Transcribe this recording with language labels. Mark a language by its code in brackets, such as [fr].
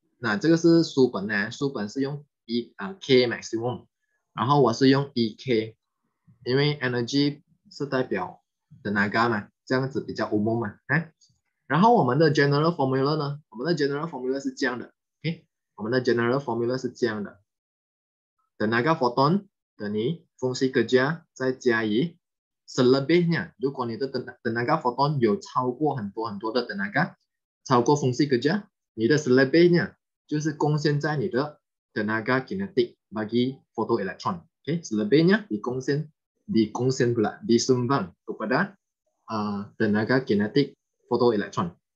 [zh] 那这个是书本呢，书本是用 K maximum，然后我是用 EK，因为 energy 是代表 tenaga 嘛，这样子比较 umum 嘛，哎。然后我们的 general formula 呢，我们的 general formula 是这样的。我们的 general formula 是这样的：tenaga foton 等于 fungsi kerja 再加以 selebihnya。如果你的 tenaga foton 有超过很多很多的 tenaga，超过 fungsi kerja，你的 selebihnya 就是贡献在你的 [ms] tenaga kinetik bagi photoelectron。 OK，selebihnya dikongsian pula disumbang kepada tenaga kinetik photoelectron。